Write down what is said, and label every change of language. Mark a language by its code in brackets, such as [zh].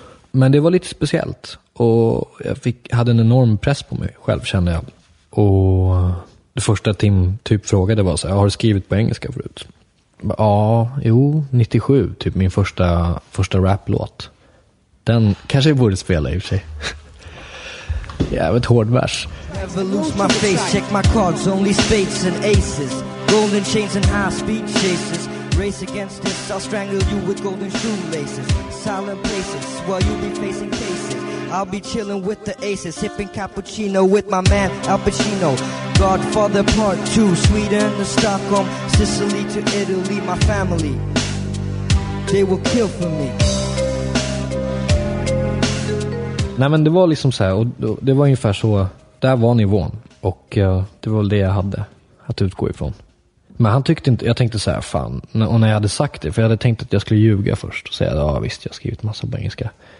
[sv] Men det var lite speciellt. Och jag hade en enorm press på mig själv, kände jag. Och det första Tim typ frågade var så här, har du skrivit på engelska förut? Ja, jo, 97, typ min första rap-låt. Den kanske jag borde spela i och för sig. Jävligt hård vers. [en] Never lose my face, check my cards, only spades and aces. Golden chains and high speed chases. Race against this, I'll strangle you with golden shoelaces. Silent places, while you be facing cases. I'll be chilling with the aces, sipping cappuccino with my man Al Pacino. Godfather part 2, Sweden to Stockholm, Sicily to Italy, my family. They will kill for me. [sv] Nej, men det var liksom så här, och det var ungefär så, där var nivån. Och det var väl det jag hade att utgå ifrån. Men han tyckte inte, jag tänkte så här, fan. Och när jag hade sagt det, för jag hade tänkt att jag skulle ljuga först och säga, ja visst, jag har skrivit massa på engelska.